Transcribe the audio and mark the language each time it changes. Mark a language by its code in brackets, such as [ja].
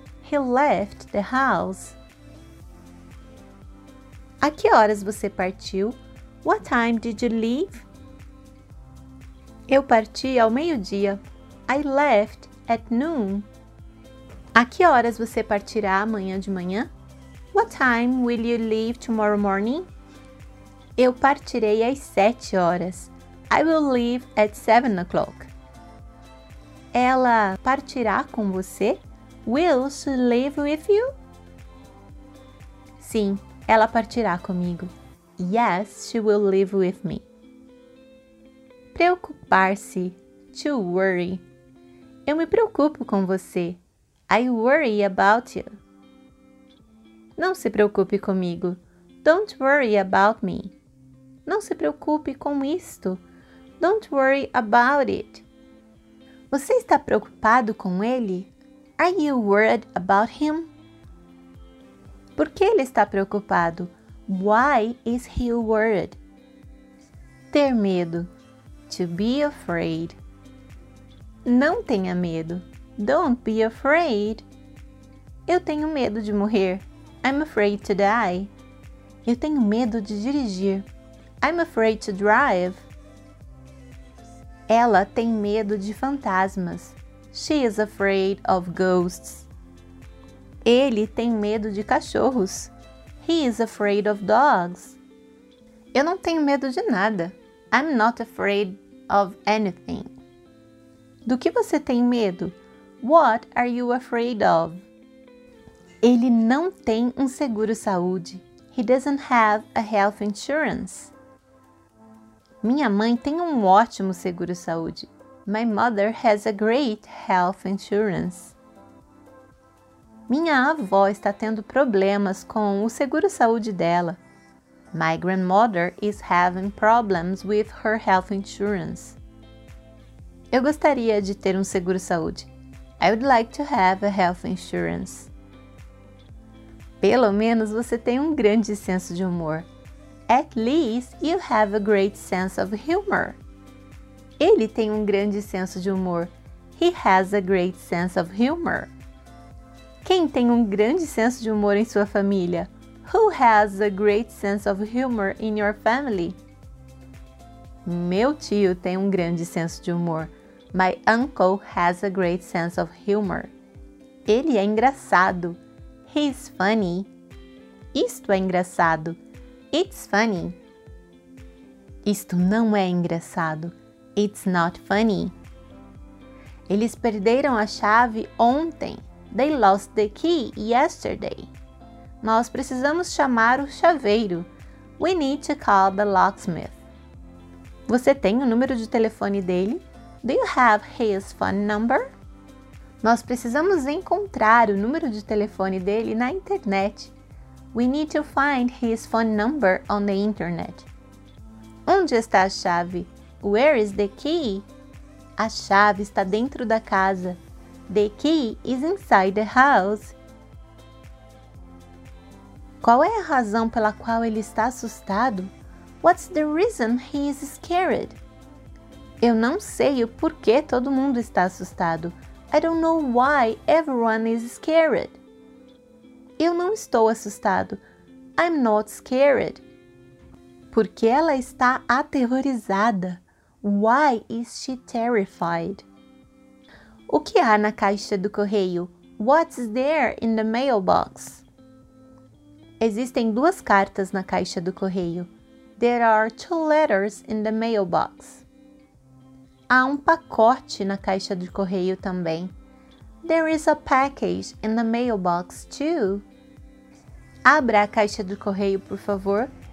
[en] He left the house. [pt] A que horas você partiu? [en] What time did you leave? [pt] Eu parti ao meio-dia. [en] I left at noon. [pt] A que horas você partirá amanhã de manhã? [en] What time will you leave tomorrow morning? [pt] Eu partirei às 7 horas. [en] I will leave at 7 o'clock. [pt] Ela partirá com você? [en] Will she leave with you? [pt] Sim. Ela partirá comigo. [en] Yes, she will live with me. [pt] Preocupar-se. [en] To worry. [pt] Eu me preocupo com você. [en] I worry about you. [pt] Não se preocupe comigo. [en] Don't worry about me. [pt] Não se preocupe com isto. [en] Don't worry about it. [pt] Você está preocupado com ele? [en] Are you worried about him? [pt] Por que ele está preocupado? [en] Why is he worried? [pt] Ter medo. [en] To be afraid. [pt] Não tenha medo. [en] Don't be afraid. [pt] Eu tenho medo de morrer. [en] I'm afraid to die. [pt] Eu tenho medo de dirigir. [en] I'm afraid to drive. [pt] Ela tem medo de fantasmas. [en] She is afraid of ghosts. [pt] Ele tem medo de cachorros. [en] He is afraid of dogs. [pt] Eu não tenho medo de nada. [en] I'm not afraid of anything. [pt] Do que você tem medo? [en] What are you afraid of? [pt] Ele não tem seguro-saúde. [en] He doesn't have a health insurance. [pt] Minha mãe tem ótimo seguro-saúde. [en] My mother has a great health insurance. [pt] Minha avó está tendo problemas com o seguro-saúde dela. [en] My grandmother is having problems with her health insurance. [pt] Eu gostaria de ter seguro-saúde. [en] I would like to have a health insurance. [pt] Pelo menos você tem grande senso de humor. [en] At least you have a great sense of humor. [pt] Ele tem grande senso de humor. [en] He has a great sense of humor. [pt] Quem tem grande senso de humor em sua família? [en] Who has a great sense of humor in your family? [pt] Meu tio tem grande senso de humor. [en] My uncle has a great sense of humor. [pt] Ele é engraçado. [en] He's funny. [pt] Isto é engraçado. [en] It's funny. [pt] Isto não é engraçado. [en] It's not funny. [pt] Eles perderam a chave ontem. [en] They lost the key yesterday. [pt] Nós precisamos chamar o chaveiro. [en] We need to call the locksmith. [pt] Você tem o número de telefone dele? [en] Do you have his phone number? [pt] Nós precisamos encontrar o número de telefone dele na internet. [en] We need to find his phone number on the internet. [pt] Onde está a chave? [en] Where is the key? [pt] A chave está dentro da casa. [en] The key is inside the house. [pt] Qual é a razão pela qual ele está assustado? [en] What's the reason he is scared? [pt] Eu não sei o porquê todo mundo está assustado. [en] I don't know why everyone is scared. [pt] Eu não estou assustado. [en] I'm not scared. [pt] Porque ela está aterrorizada. [en] Why is she terrified? [pt] O que há na caixa do correio? [en] What's there in the mailbox? [pt] Existem duas cartas na caixa do correio. [en] There are two letters in the mailbox. [pt] Há pacote na caixa do correio também. [en] There is a package in the mailbox too. [pt] Abra a caixa do correio, por favor.